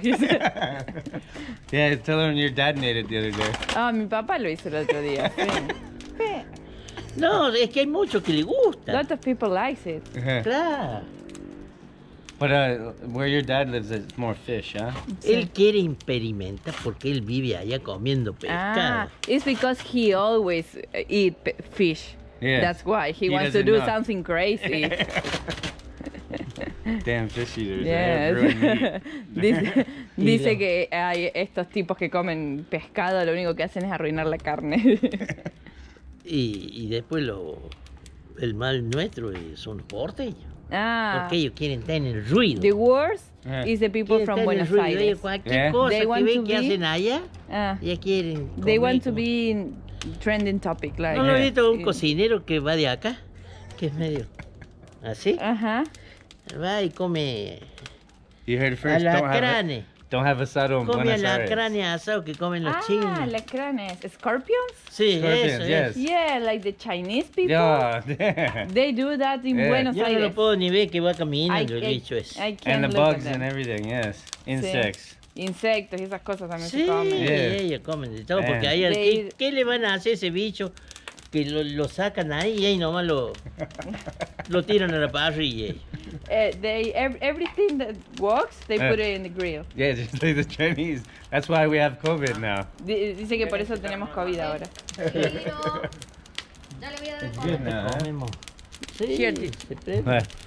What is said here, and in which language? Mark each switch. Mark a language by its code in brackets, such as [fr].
[en] Yeah, tell her when your dad made it the other day. [es] Ah, mi papá lo hizo el otro día. No, es que hay mucho que le gusta. [en] Lots of people like it. [es] Claro. [en] But where your dad lives, it's more fish, huh? [es] Él quiere experimentar porque él vive allá comiendo pescado. [en] Ah, it's because he always eat fish. Yeah. That's why. He wants to do something crazy. Damn fish eaters. Yes. [es] Dice que hay estos tipos que comen pescado, lo único que hacen es arruinar la carne. y después el mal nuestro son porteños. Ah, porque ellos quieren tener ruido. [en] The worst is the people from Buenos Aires. [es] Quieren tener ruido. Cualquier cosa que ven que hacen allá, ya quieren comer. [en] They want to be in trending topic. Like, [es] ¿no lo he visto un cocinero que va de acá? Que es medio así. Ajá. Va y come. [en] You heard first, [es] alacranes. [en] Don't have asado en Buenos Aires. [es] Come alacranes asado que comen los chinos. [en] Ah, alacranes. Scorpions? [es] Sí, [en] scorpions, [es] eso es. [en] Yeah, like the Chinese people. Yeah. They do that in Buenos Aires. [es] Yo no lo puedo ni ver que va caminando el bicho ese. [en] And the bugs and everything, yes. Insects. Sí. [es] Insectos y esas cosas también sí, se comen. Sí, ellos comen de todo. Porque ahí, ¿qué le van a hacer a ese bicho? Que lo sacan ahí y ahí nomás lo tiran a la parrilla. [en] Everything that walks, they put it in the grill. Yeah, just like the Chinese. That's why we have COVID now. [es] Dice que por eso tenemos COVID ahora.